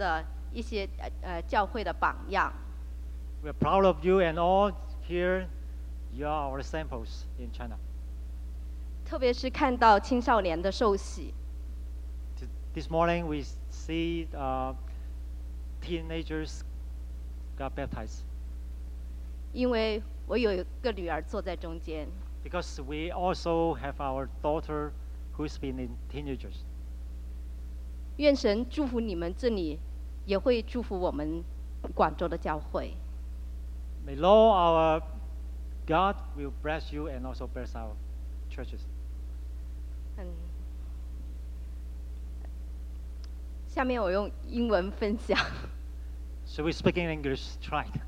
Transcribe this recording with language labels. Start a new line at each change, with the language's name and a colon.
Chinese: 你们是我们中国很多人的一些教会的榜样。
English: We are proud of you and all here. You are our samples in China.
Chinese: 特别是看到青少年的受洗。
English: This morning we see teenagers got baptized.
Chinese: 因为我有一个女儿坐在中间。
English: Because we also have our daughter who's been in teenagers.
Chinese: 愿神祝福你们这里，也会祝福我们广州的教会。
English: May Lord our God will bless you and also bless our churches.
Chinese: 下面我用英文分享。
English: So we speak in English, try.